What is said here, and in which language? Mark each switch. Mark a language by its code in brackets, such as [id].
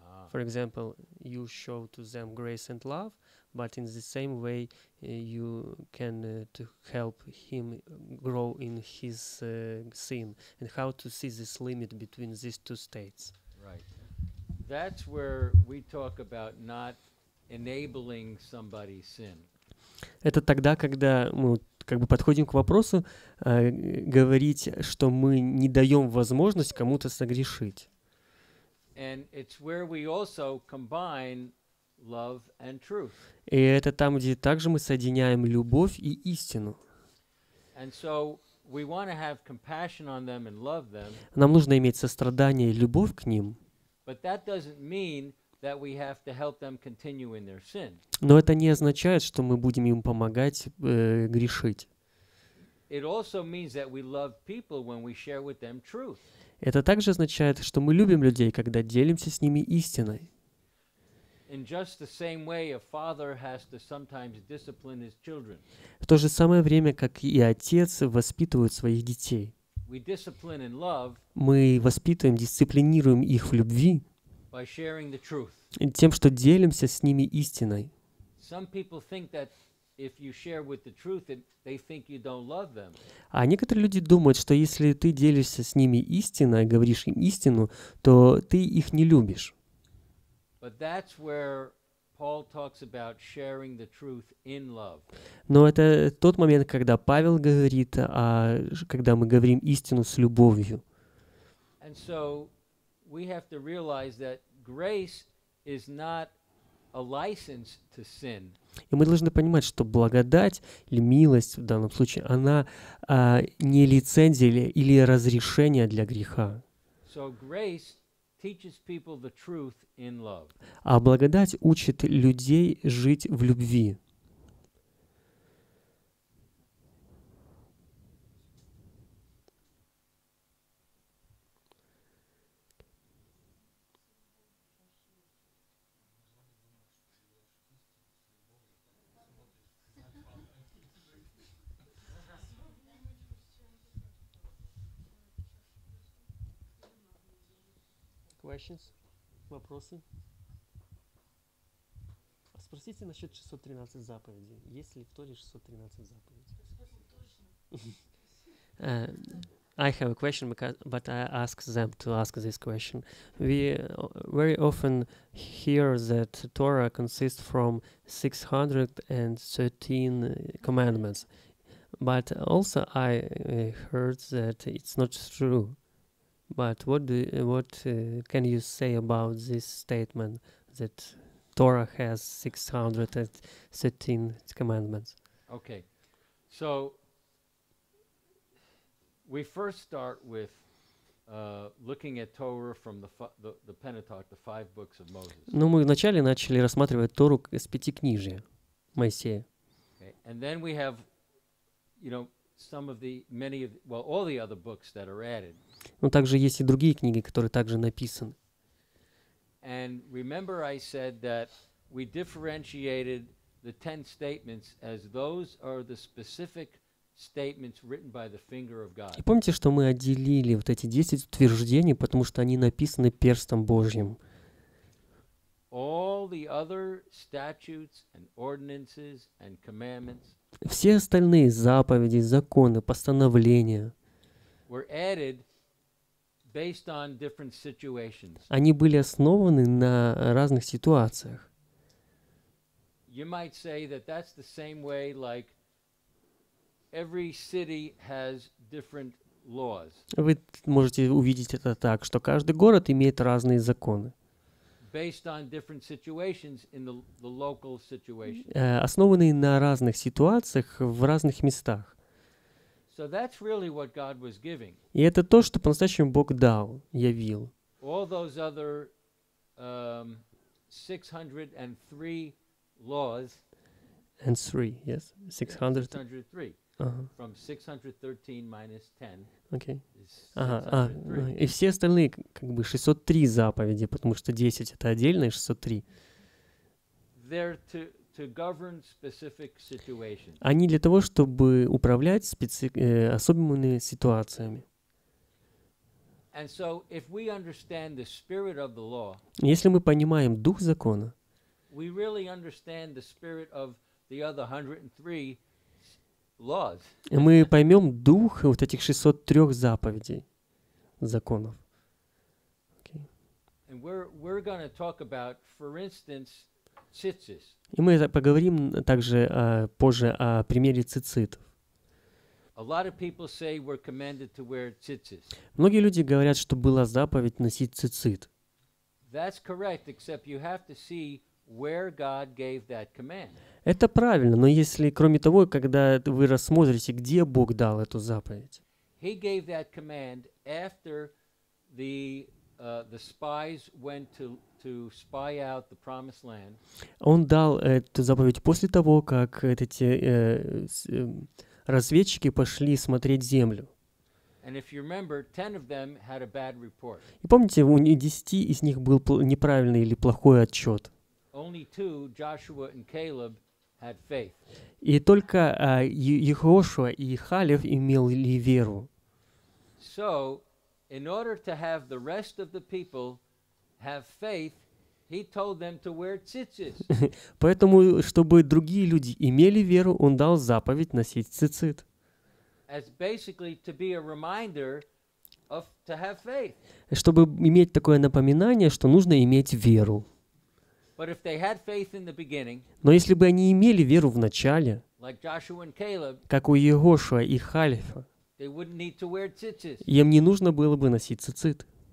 [en] For example, you show to them grace and love, but in the same way you can to help him grow in his sin. And how to see this limit between these two states? Right. That's where we talk about not enabling somebody's sin. [ru] Это тогда, когда мы как бы подходим к вопросу говорить, что мы не даем возможность кому-то согрешить. [en] And it's where we also combine love and truth. [ru] И это там, где также мы соединяем любовь и истину. [en] And so we want to have compassion on them and love them. [ru] Нам нужно иметь сострадание и любовь к ним. [en] But that doesn't mean that we have to help them continue in their sin. [ru] Но это не означает, что мы будем им помогать грешить. [en] It also means that we love people when we share with them truth. [ru] Это также означает, что мы любим людей, когда делимся с ними истиной. [en] In just the same way, a father has to sometimes discipline his children. [ru] В то же самое время, как и отец воспитывает своих детей. [en] We discipline in love. [ru] Мы воспитываем, дисциплинируем их в любви. [en] By sharing the truth. [ru] Тем, что делимся с ними истиной. [en] Some people think that if you share with the truth, they think you don't love them. [ru] А некоторые люди думают, что если ты делишься с ними истиной, говоришь им истину, то ты их не любишь. [en] But that's where Paul talks about sharing the truth in love. [ru] Но это тот момент, когда Павел говорит, а когда мы говорим истину с любовью. [en] And so we have to realize that grace is not a license to sin. [ru] И мы должны понимать, что благодать или милость в данном случае, она не лицензия или разрешение для греха. [en] So grace teaches people the truth in love. [ru] А благодать учит людей жить в любви. Вопросы? Спросите насчет 613 заповедей. Есть ли в Торе 613 заповедей? [en] I have a question, but I ask them to ask this question. We very often hear that Torah consists from 613 commandments, but also I heard that it's not true. But can you say about this statement that Torah has 613 commandments? Okay, so we first start with looking at Torah from the Pentateuch, the five books of Moses. [ru] Ну, мы вначале начали рассматривать Тору с пятикнижия Моисея. [en] Okay, and then we have, you know, some of the many of well, all the other books that are added. [ru] Но также есть и другие книги, которые также написаны. [en] And remember I said that we differentiated the 10 statements as those are the specific statements written by the finger of God. [ru] И помните, что мы отделили вот эти 10 утверждений, потому что они написаны перстом Божьим. [en] All the other statutes and ordinances and commandments. [ru] Все остальные заповеди, законы, постановления [en] were added based on different situations. [ru] Они были основаны на разных ситуациях. [en] You might say that that's the same way, like every city has different laws. [ru] Вы можете увидеть это так, что каждый город имеет разные законы. [en] Based on different situations in the local situation. [ru] Основанные на разных ситуациях в разных местах. [en] So that's really what God was giving. [ru] И это то, что по-настоящему Бог дал, явил. [en] All those other 603 laws. And three, yes. 603. From 613 minus 10. Okay. [ru] И все остальные, как бы, 603 заповеди, потому что 10 это отдельные 603. [en] They're to govern specific situations. [ru] Они для того, чтобы управлять особыми ситуациями. [en] And so if we understand the spirit of the law, [ru] если мы понимаем дух закона, [en] we really understand the spirit of the other 103 laws. [ru] Мы поймем дух вот этих 603 заповедей, законов. [en] Okay. And we're going to talk about, for instance, tzitzis. [ru] И мы поговорим также позже о примере цицитов. [en] A lot of people say we're commanded to wear tzitzis. [ru] Многие люди говорят, что была заповедь носить цицит. [en] That's correct, except you have to see where God gave that command. [ru] Это правильно, но если, кроме того, когда вы рассмотрите, где Бог дал эту заповедь. [en] He gave that command after the spies went to spy out the promised land. [ru] Он дал эту заповедь после того, как эти разведчики пошли смотреть землю. [en] And if you remember, 10 of them had a bad report. [ru] И помните, у 10 из них был неправильный или плохой отчет. [en] only two, Joshua and Caleb, had faith. [ru] И только Йошуа и Халев имели веру. [en] So, in order to have the rest of the people have faith, he told them to wear tzitzit. [ru] Поэтому, чтобы другие люди имели веру, он дал заповедь носить тцицит. [en] As basically to be a reminder of to have faith. [ru] Чтобы иметь такое напоминание, что нужно иметь веру. [en] But if they had faith in the beginning, [ru] но если бы они имели веру в начале, [en] like Joshua and Caleb, [ru] как у Йошуа и Халифа, [en] they wouldn't need to wear tzitzit. [ru] Им не нужно было бы носить тцицит.